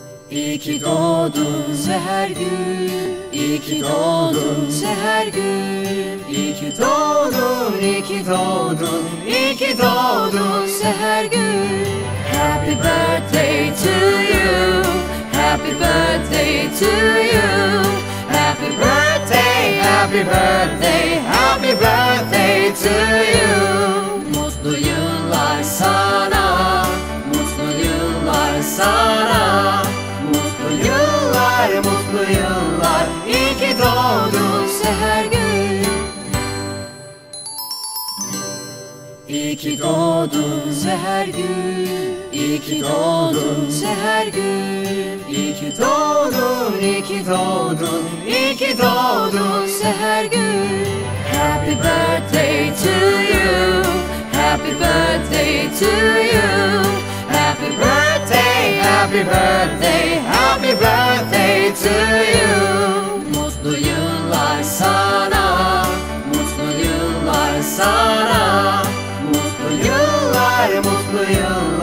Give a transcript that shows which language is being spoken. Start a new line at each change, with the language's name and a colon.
Turkish: İyi ki doğdun seher gün, İyi ki doğdun seher gün, İyi ki doğdun, İyi ki doğdun, İyi ki doğdun seher gün.
English: Happy birthday to you, happy birthday to you, happy birthday, happy birthday, happy birthday to you.
Turkish: Mutlu yıllar sana, mutlu yıllar sana, mutlu yıllar, mutlu yıllar, iyi ki doğdun seher gün. İyi ki doğdun seher gün, İyi ki doğdun seher gün, İyi ki doğdun, İyi ki doğdun, İyi ki doğdun seher gün.
English: Happy birthday to you, happy birthday to you, happy birthday, happy birthday, happy birthday to you.
Turkish: Mutlu yıllar sana, mutlu yıllar sana, mutlu yıllar, mutlu yıllar.